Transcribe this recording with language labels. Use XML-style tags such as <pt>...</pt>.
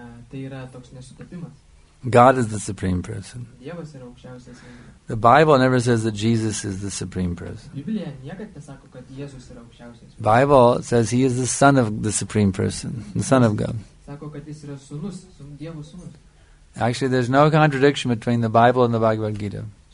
<lt>Tai yra toks nesutapimas.</lt> <en>God is the supreme person.</en> <lt>Dievas yra aukščiausias.</lt> <en>The Bible never says that Jesus is the supreme person.</en> <lt>Biblija niekad nesako, kad Jėzus yra aukščiausias.</lt> <en>Bible says he is the son of the supreme person, the son of God.</en> <lt>sako, kad jis yra sūnus, Dievo sūnus.</lt> <en>Actually, there's no contradiction between the Bible and the Bhagavad Gita.</en>